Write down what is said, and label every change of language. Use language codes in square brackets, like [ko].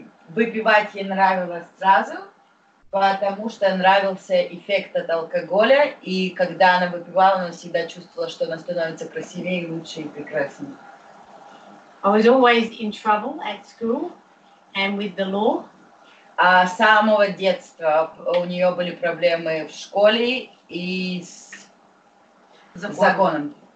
[ru] Выпивать ей нравилось сразу, потому что нравился эффект от алкоголя, и когда она выпивала, она всегда чувствовала, что она становится красивее, лучше и прекраснее. [en] I was always in trouble at school and with the law. [ru] С самого детства у нее были проблемы в школе и с законом.